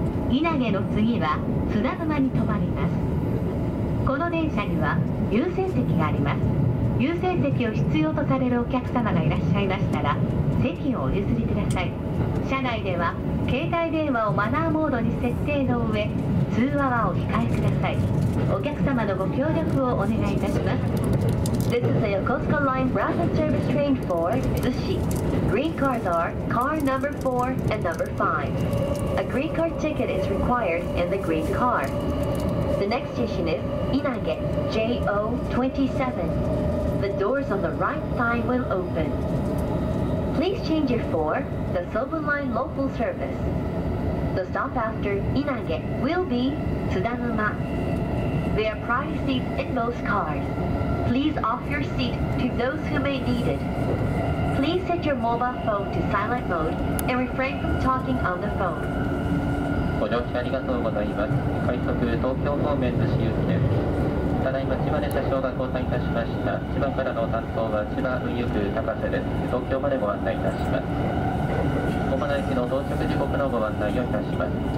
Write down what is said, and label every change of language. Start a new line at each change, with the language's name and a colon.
Japanese: 稲毛の次は津田沼に止まります。この電車には優先席があります。優先席を必要とされるお客様がいらっしゃいましたら席をお譲りください。車内では携帯電話をマナーモードに設定の上、通話はお控えください。お客様のご協力をお願いいたします。
English: This is the Yokosuka Line Rapid Service Train for 逗子. Green cars are car number 4 and number 5. A green card ticket is required in the green car. The next station is 稲毛 JO27. The doors on the right side will open. Please change it for the Soban Line local service. The stop after 稲毛 will be 津田沼. There are priority seats in most cars. Please offer your seat to those who may need it. Please set your mobile phone to silent mode and refrain from talking on the phone.
Japanese: ご乗車ありがとうございます。快速東京方面逗子行きです。ただいま千葉で車掌が交代いたしました。千葉からの担当は千葉運輸局高瀬です。東京までご案内いたします。駒田駅の到着時刻のご案内をいたします。